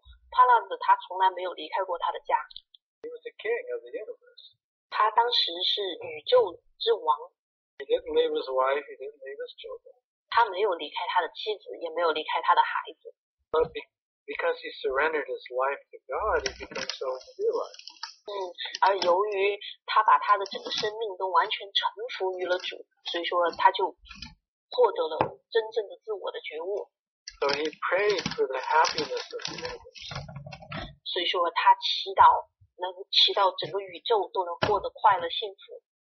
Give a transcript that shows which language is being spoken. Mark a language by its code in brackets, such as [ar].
[zh] 帕拉子他从来没有离开过他的家。 [en] He was the king of the universe. [zh] 他当时是宇宙之王。 [en] He didn't leave his wife, he didn't leave his children. [zh] 他没有离开他的妻子，也没有离开他的孩子。 [en] But because he surrendered his life to God, he became so realized. [zh] 而由于他把他的整个生命都完全臣服于了主，所以说他就获得了真正的自我的觉悟。 [en] So he prayed for the happiness of the universe. [zh] 所以说他祈祷整个宇宙都能获得快乐幸福。